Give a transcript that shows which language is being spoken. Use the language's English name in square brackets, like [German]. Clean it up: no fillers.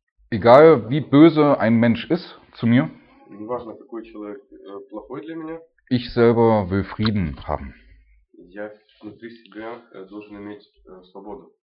[German] Egal wie böse ein Mensch ist zu mir, [Russian] Неважно, какой человек плохой для меня. [German] Ich selber will Frieden haben. [Russian] Я внутри себя должен иметь свободу.